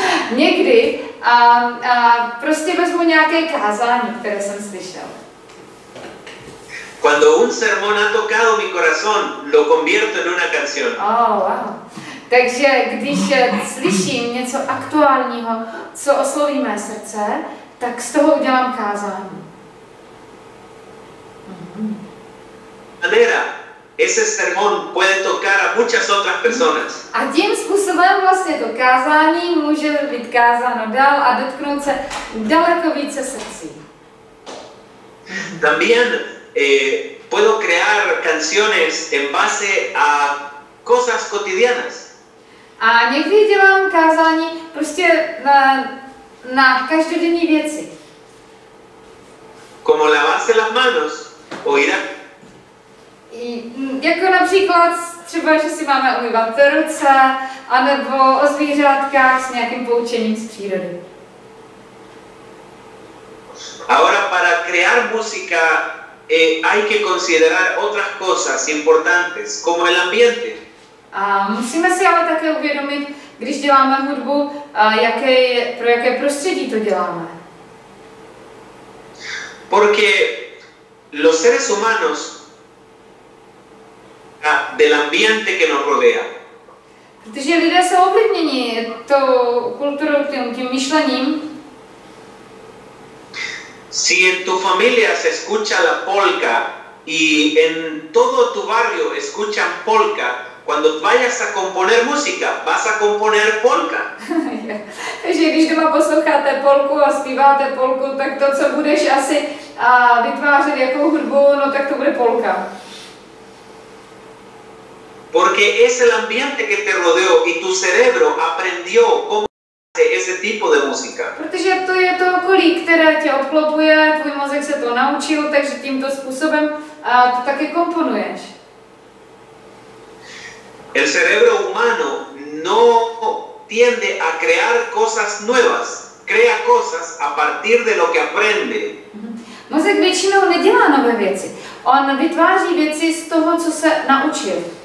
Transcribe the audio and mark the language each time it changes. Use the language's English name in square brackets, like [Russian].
[Czech] Někdy prostě vezmu nějaké kázání, které jsem slyšel. [Spanish] Cuando un sermón ha tocado mi corazón, lo convierto en una canción. Oh, wow. [Czech] Takže když slyším něco aktuálního, co osloví mé srdce, tak z toho udělám kázání. [Spanish] Manera, ese sermón puede tocar a muchas otras personas. [Czech] A tím způsobem vlastně to kázání může být kázáno dál a dotknout se daleko více srdcí. [Spanish] También puedo crear canciones en base a cosas cotidianas. [Czech] A někdy dělám kázání prostě na každodenní věci. [Spanish] Como lavarse las manos o ir a... [Czech] Jako například třeba, že si máme umývat ruce, anebo o zvířátkách s nějakým poučením z přírody. [Spanish] Ahora para crear música hay que considerar otras cosas importantes, como el ambiente. [Czech] A musíme si ale také uvědomit, když děláme hudbu, pro jaké prostředí to děláme. [Spanish] Porque los seres humanos del ambiente que nos rodea. [Czech] Protože lidé jsou ovlivněni tou kulturou, tím myšlením. [Spanish] Si en tu familia se escucha la polka y en todo tu barrio escuchan polka, cuando vayas a componer música, vas a componer polka. [Czech] Takže když doma posloucháte polku a zpíváte polku, tak to, co budeš asi vytvářet jako hudbu, no tak to bude polka. [Spanish] Porque es el ambiente que te rodeó y tu cerebro aprendió cómo hacer ese tipo de música. [Czech] Protože to je to okolí, které tě obklopuje, tvůj mozek se to naučil, takže tímto způsobem to taky komponuješ. [Spanish] El cerebro humano no tiende a crear cosas nuevas, crea cosas a partir de lo que aprende. [Czech] Mozek většinou nedělá nové věci, on vytváří věci z toho, co se naučil.